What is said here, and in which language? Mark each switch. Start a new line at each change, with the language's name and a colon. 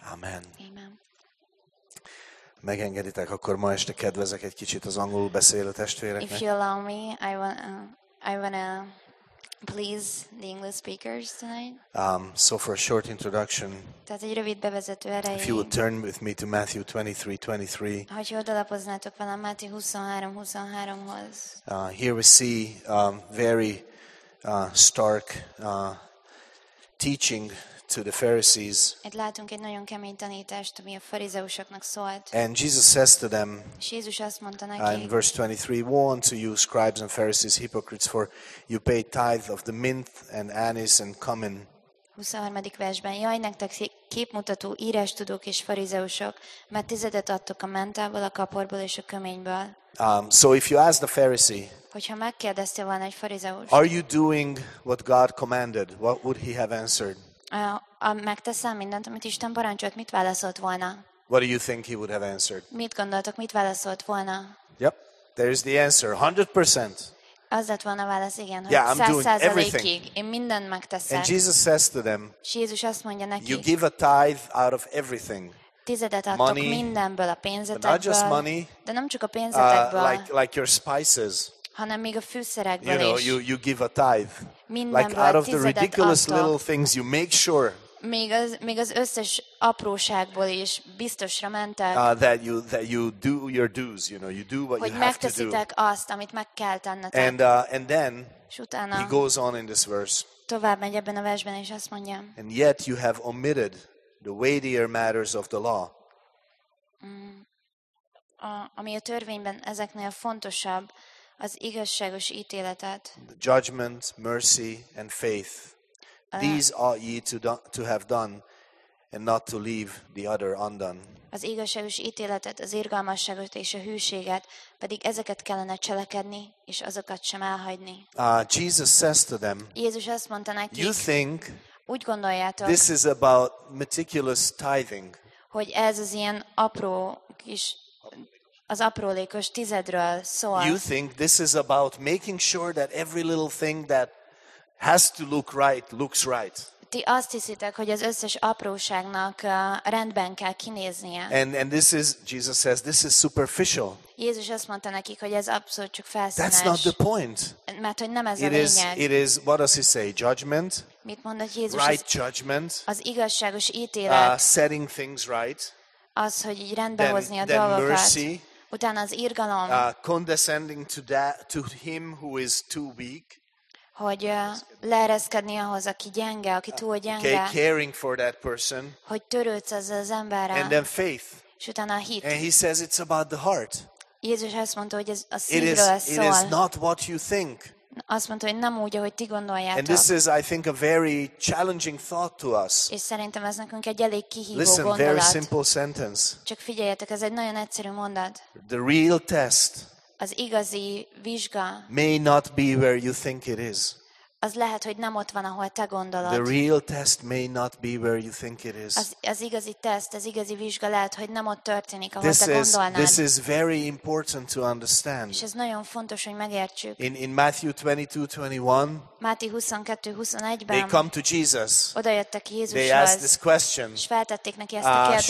Hungarian: Amen. Amen. Megengeditek, akkor ma este kedvezek egy kicsit az angolul beszélő testvéreknek.
English: If you allow me, I want to please the English speakers tonight. So for a short introduction.
Hungarian: Tehát egy rövid bevezető erejéig.
English: If you would turn with me to Matthew 23:23.
Hungarian: Hogyha odalapoznátok volna Máté 23:23-hoz.
English: Here we see very stark teaching to the Pharisees.
Hungarian: Itt látunk egy nagyon kemény tanítást, ami a farizeusoknak szólt.
English: And Jesus says to them.
Hungarian: És Jézus azt mondta nekik.
English: In verse 23, woe unto you, scribes and Pharisees, hypocrites, for you pay tithe of the mint and anise and cumin.
Hungarian: 23. versben, jaj nektek képmutató írástudók és farizeusok, mert tizedet adtok a mentából, a kaporból és a köményből.
English: So if you ask the Pharisee.
Hungarian: Hogyha megkérdeztél volna egy farizeust.
English: Are you doing what God commanded? What would he have answered?
Hungarian: Megteszem mindent, amit Isten parancsolt, mit válaszolt volna?
English: What do you think he would have answered?
Hungarian: Mit gondoltok, mit válaszolt volna?
English: Yep, there is the answer, 100%.
Hungarian: Az lett volna a válasz, igen, hogy 100%-ig én mindent megteszek.
English: And Jesus says to them,
Hungarian: Jézus azt mondja nekik,
English: you give a tithe out of everything.
Hungarian: Tizedet adtok
English: money,
Hungarian: mindenből, a pénzetekből,
English: but not just money,
Hungarian: de nem csak a pénzetekből,
English: like your spices.
Hungarian: Hanem még a fűszerekből is.
English: You know, you give a tithe. Like out of the ridiculous little things you make sure.
Hungarian: Még az összes apróságból is biztosra mentek.
English: That you do your dues, you know, you do what you have to do.
Hungarian: Hogy megteszitek azt, amit meg kell tennetek.
English: And then
Hungarian: utána,
English: he goes on in this verse.
Hungarian: Tovább megy ebben a versben és azt mondja.
English: And yet you have omitted the weightier matters of the law.
Hungarian: Ami a törvényben ezeknél fontosabb, az igazságos ítéletet.
English: The judgment, mercy and faith. These ought ye to have done and not to leave the other undone.
Hungarian: Az igazságos ítéletet, az irgalmasságot és a hűséget, pedig ezeket kellene cselekedni és azokat sem elhagyni.
English: Jesus says to them.
Hungarian: Jézus azt mondta nekik.
English: You think.
Hungarian: Úgy gondoljátok.
English: This is about meticulous tithing.
Hungarian: Hogy ez az ilyen apró kis az aprólékos tizedről szól.
English: You think this is about making sure that every little thing that has to look right looks right.
Hungarian: Ti azt hiszitek, hogy az összes apróságnak rendben kell kinéznie.
English: And this is, Jesus says, this is superficial.
Hungarian: Jézus azt mondta nekik, hogy ez abszolút csak felszínes.
English: That's not the point.
Hungarian: Mert hogy nem ez
English: it
Hungarian: a lényeg.
English: It is, what does he say, judgment?
Hungarian: Mit mondott Jézus?
English: Right judgment.
Hungarian: Az igazságos ítélet.
English: Setting things right.
Hungarian: Az, hogy így rendbe hozni a dolgokat.
English: Mercy,
Hungarian: utána az irgalom.
English: Condescending to him who is too weak.
Hungarian: Hogy leereszkedni ahhoz, aki gyenge, aki túl gyenge.
English: Okay, caring for that person.
Hungarian: Hogy törődsz ezzel az emberrel.
English: And then faith.
Hungarian: És utána a hit.
English: And he says it's about the heart.
Hungarian: Jézus azt mondta, hogy ez a szívről szól.
English: It is not what you think.
Hungarian: Azt mondta, hogy nem úgy, ahogy ti gondoljátok.
English: And this is, I think, a very challenging thought to us.
Hungarian: És szerintem ez nekünk egy elég kihívó gondolat.
English: Listen, very simple sentence.
Hungarian: Csak figyeljetek, ez egy nagyon egyszerű mondat.
English: The real test.
Hungarian: Az igazi vizsga.
English: May not be where you think it is.
Hungarian: Az lehet, hogy nem ott van, ahol te gondolod.
English: The real test may not be where you think it is.
Hungarian: Az igazi teszt, az igazi vizsga lehet, hogy nem ott történik, ahol
English: this
Hungarian: te
English: is,
Hungarian: gondolnád.
English: This is very important to understand.
Hungarian: És ez nagyon fontos, hogy megértsük.
English: In Matthew 22:21.
Hungarian: Máté 22:21-ben.
English: They come to Jesus.
Hungarian: Odajöttek Jézushoz.
English: They ask this question.
Hungarian: És feltették neki ezt a kérdést.